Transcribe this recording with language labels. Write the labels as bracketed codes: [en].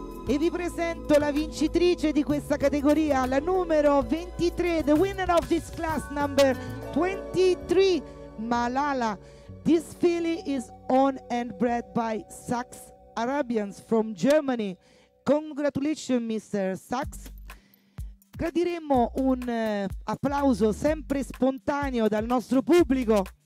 [it] E vi presento la vincitrice di questa categoria, la numero 23, [en] the winner of this class number 23, [it] Malala, [en] This filly is owned and bred by Sachs Arabians from Germany. Congratulations, Mr. Sachs. [it] Gradiremmo un applauso sempre spontaneo dal nostro pubblico.